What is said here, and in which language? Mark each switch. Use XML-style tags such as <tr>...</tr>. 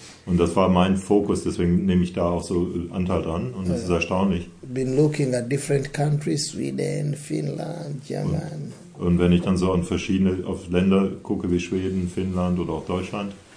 <de>Und das war mein Fokus, deswegen nehme ich da auch so Anteil dran und es ist erstaunlich.</de> <en>Been looking at different countries, Sweden, Finland, Germany.</en> <de>Und wenn ich dann so an verschiedene auf Länder gucke wie Schweden, Finnland oder auch Deutschland.</de>